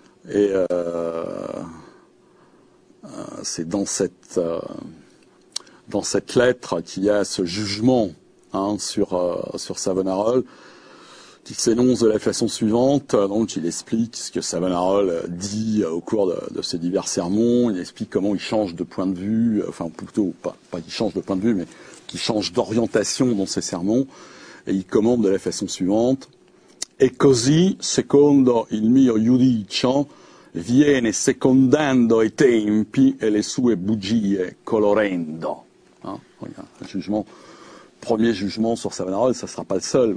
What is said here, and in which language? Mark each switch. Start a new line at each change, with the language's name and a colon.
French: Et c'est dans cette lettre qu'il y a ce jugement hein, sur Savonarole, qui s'énonce de la façon suivante. Donc, il explique ce que Savonarole dit au cours de ses divers sermons. Il explique comment il change de point de vue, enfin plutôt pas qu'il change de point de vue, mais qu'il change d'orientation dans ses sermons. Et il commande de la façon suivante.
Italian: Et così, secondo il mio giudicio, viene secondando i tempi e le sue bugie colorendo.
French: Hein, regarde, un jugement, premier jugement sur Savonarole, ça ne sera pas le seul.